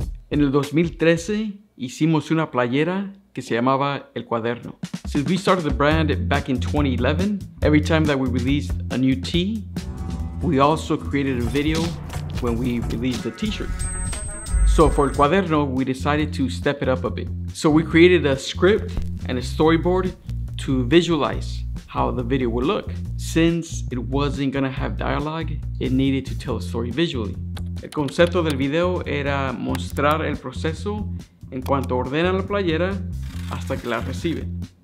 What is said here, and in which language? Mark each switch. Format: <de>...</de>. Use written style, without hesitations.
<es>En el 2013, hicimos una playera que se llamaba El Cuaderno.</es> <en>Since we started the brand back in 2011, every time that we released a new tee, we also created a video when we released the t-shirt. So for El Cuaderno, we decided to step it up a bit. So we created a script and a storyboard to visualize how the video would look. Since it wasn't gonna have dialogue, it needed to tell a story visually.</en> <es>El concepto del video era mostrar el proceso en cuanto ordenan la playera hasta que la reciben.</es>